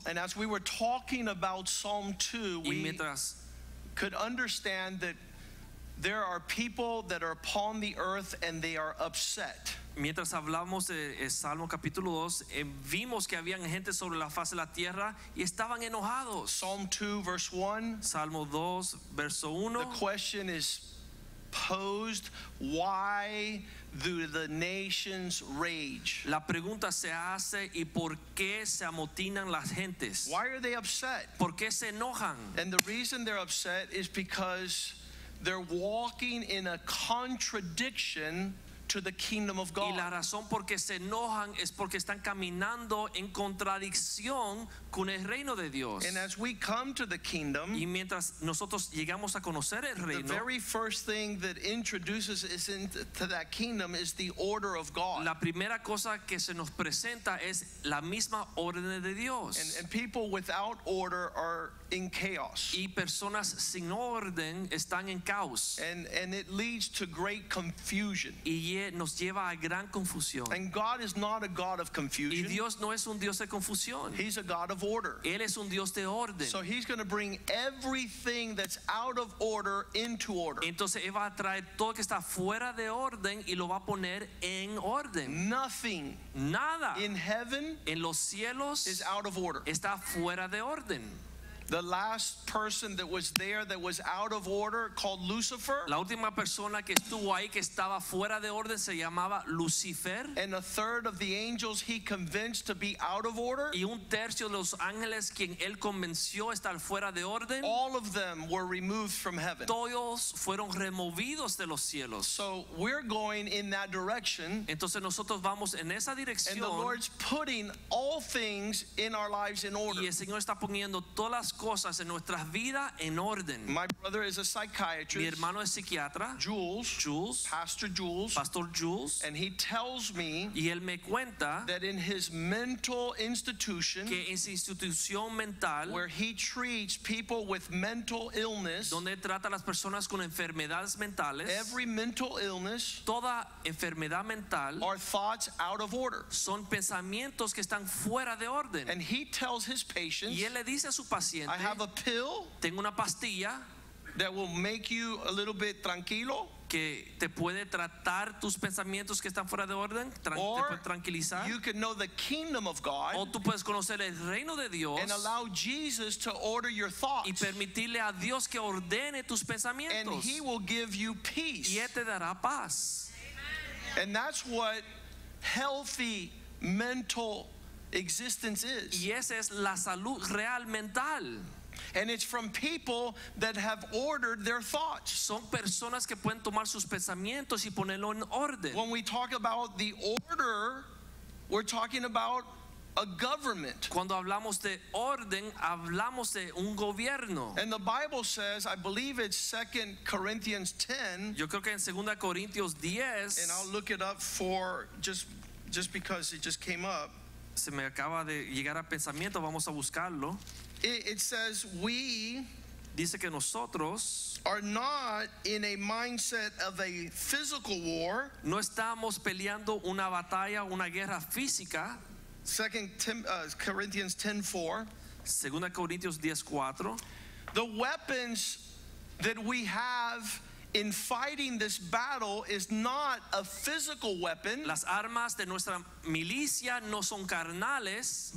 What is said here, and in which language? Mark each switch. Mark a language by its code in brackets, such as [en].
[en] And as we were talking about Psalm 2, we could understand that there are people that are upon the earth and they are upset. [es] Mientras hablamos de Salmo capítulo 2, vimos que habían gente sobre la faz de la tierra y estaban enojados. [en] Psalm 2 verse 1. [es] Salmo 2 verso 1. [en] The question is posed, why do the nations rage? [es] La pregunta se hace, ¿y por qué se amotinan las gentes? [en] Why are they upset? [es] ¿Por qué se enojan? [en] And the reason they're upset is because they're walking in a contradiction to the kingdom of God. [es] Y la razón por qué se enojan es porque están caminando en contradicción con el reino de Dios. [en] And as we come to the kingdom, [es] y mientras nosotros llegamos a conocer el reino, [en] the very first thing that introduces us into that kingdom is the order of God. [es] La primera cosa que se nos presenta es la misma orden de Dios. [en] And people without order are in chaos. [es] Y personas sin orden están en caos. [en] And it leads to great confusion. [es] Y nos lleva a gran confusión. [en] And God is not a God of confusion. [es] Y Dios no es un Dios de confusión. [en] He's a God of order. [es] Él es un Dios de orden. [en] So he's going to bring everything that's out of order into order. [es] Entonces él va a traer todo que está fuera de orden y lo va a poner en orden. [en] Nothing. [es] Nada. [en] In heaven. [es] En los cielos. [en] Is out of order. [es] Está fuera de orden. [en] The last person that was there that was out of order called Lucifer. [es] La última persona que estuvo ahí que estaba fuera de orden se llamaba Lucifer. [en] And a third of the angels he convinced to be out of order. [es] Y un tercio de los ángeles quien él convenció estar fuera de orden. [en] All of them were removed from heaven. [es] Todos fueron removidos de los cielos. [en] So we're going in that direction. [es] Entonces nosotros vamos en esa dirección. [en] And the Lord's putting all things in our lives in order. [es] Y el Señor está poniendo todas las cosas en nuestras vidas en orden. [en] My brother is a psychiatrist. [es] Mi hermano es psiquiatra. [en] Jules. Pastor Jules. [es] Pastor Jules. [en] And he tells me, [es] y él me cuenta, [en] that in his mental institution, [es] que en su institución mental, [en] where he treats people with mental illness, [es] donde trata a las personas con enfermedades mentales, [en] every mental illness, [es] toda enfermedad mental, [en] are thoughts out of order. [es] Son pensamientos que están fuera de orden. [en] And he tells his patients, [es] y él le dice a su paciente, [en] I have a pill, [es] tengo una pastilla, [en] that will make you a little bit tranquilo, [es] que te puede tratar tus pensamientos que están fuera de orden, [en] or [es] te puede tranquilizar, [en] you can know the kingdom of God, [es] o tú puedes conocer el reino de Dios, [en] and allow Jesus to order your thoughts, [es] y permitirle a Dios que ordene tus pensamientos, [en] and he will give you peace, [es] y él te dará paz. [en] And that's what healthy mental existence is. [es] Y esa es la salud real mental. [en] And it's from people that have ordered their thoughts. [es] Son personas que pueden tomar sus pensamientos y ponerlo en orden. [en] When we talk about the order, we're talking about a government. [es] Cuando hablamos de orden, hablamos de un gobierno. [en] And the Bible says, I believe it's 2 Corinthians 10. [es] Yo creo que en 2 Corintios 10. [en] And I'll look it up for just because it just came up. [es] Se me acaba de llegar a pensamiento, vamos a buscarlo. [en] It says we, [es] dice que nosotros, [en] are not in a mindset of a physical war. [es] No estamos peleando una batalla, una guerra física. [en] 2 Corinthians 10:4. [es] 2 Corintios 10:4. [en] The weapons that we have in fighting this battle is not a physical weapon. [es] Las armas de nuestra milicia no son carnales,